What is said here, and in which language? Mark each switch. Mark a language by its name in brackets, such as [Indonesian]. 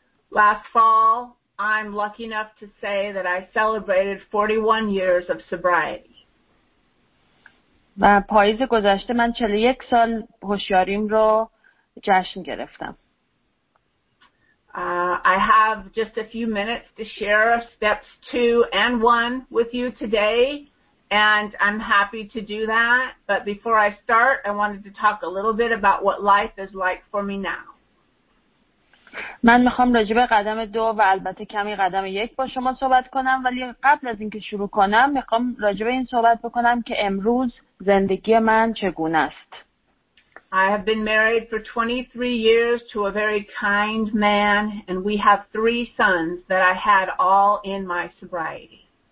[English] Last fall I'm lucky enough to say that I celebrated 41 years of sobriety. [Persian] و پاییز گذشته من 41 سال هوشیاریم رو جشن گرفتم. [English] I have just a few minutes to share steps 2 and 1 with you today, and I'm happy to do that. But before I start, I wanted to talk a little bit about what life is like for me now. [Persian] من میخوام راجع به قدم 2 و البته کمی قدم 1 با شما صحبت کنم، ولی قبل از اینکه شروع کنم میخوام راجع به این صحبت بکنم که امروز زندگی من چگونه است. [English] I have been married for 23 years to a very kind man and we have 3 sons that I had all in my sobriety.